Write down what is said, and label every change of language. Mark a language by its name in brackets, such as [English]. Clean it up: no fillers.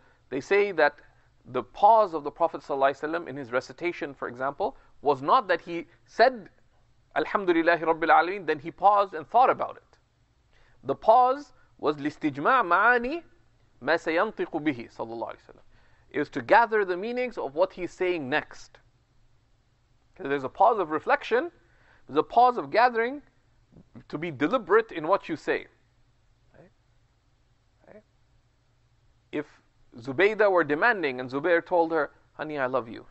[English] They say that the pause of the Prophet ﷺ in his recitation, for example, was not that he said Alhamdulillah Rabbil Alameen, then he paused and thought about it. [Arabic] The pause was لِاسْتِجْمَعْ مَعَانِي مَا سَيَنْطِقُ بِهِ صلى الله عليه وسلم. [English] It was to gather the meanings of what he's saying next. Because there's a pause of reflection, there's a pause of gathering to be deliberate in what you say. Right? If Zubaydah were demanding and Zubayr told her, honey, I love you.